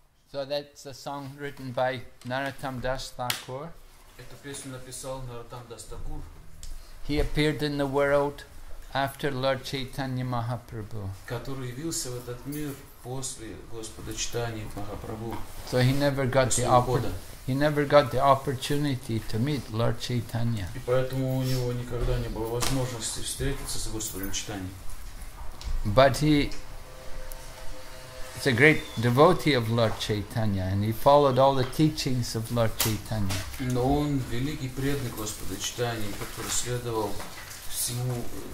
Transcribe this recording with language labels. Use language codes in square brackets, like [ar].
[en] So that's a song written by Narottam Das Thakur. [ru] Эту песню написал Narottam Das Thakur. [en] He appeared in the world after Lord Chaitanya Mahaprabhu. [ru] Который явился в этот мир после Господа Читания Махапрабху. [en] So he never got the opportunity to meet Lord Chaitanya. [ru] И поэтому у него никогда не было возможности встретиться с Господом Читанием. [en] But he is a great devotee of Lord Chaitanya, and he followed all the teachings of Lord Chaitanya. [ru] Но он великий преданный Господа Читания, который следовал всему.